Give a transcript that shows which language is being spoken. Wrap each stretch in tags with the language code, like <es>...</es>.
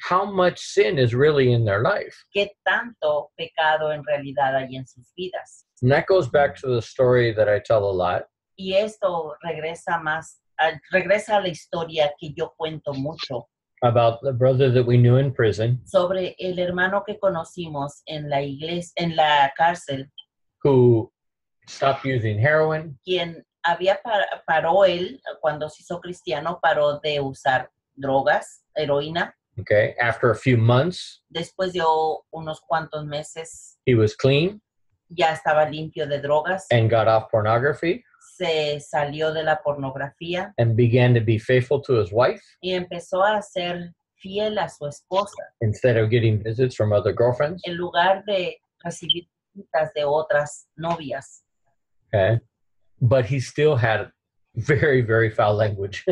<en>how much sin is really in their life.</en> <es>Qué tanto pecado en realidad hay en sus vidas.</es> <en>And that goes back to the story that I tell a lot.</en> <es>Y esto regresa a la historia que yo cuento mucho.</es> <en>About the brother that we knew in prison.</en> <es>Sobre el hermano que conocimos en la iglesia, en la cárcel.</es> <en>Who stopped using heroin.</en> <es>Quien había paró él, cuando se hizo cristiano, paró de usar drogas, heroína.</es> <en>Okay, after a few months.</en> <es>Después de unos cuantos meses.</es> <en>He was clean.</en> <es>Ya estaba limpio de drogas.</es> <en>And got off pornography.</en> <es>Se salió de la pornografía.</es> <en>And began to be faithful to his wife.</en> <es>Y empezó a ser fiel a su esposa.</es> <en>Instead of getting visits from other girlfriends.</en> <es>En lugar de recibir visitas de otras novias.</es> <en>Okay. But he still had very, very foul language.</en>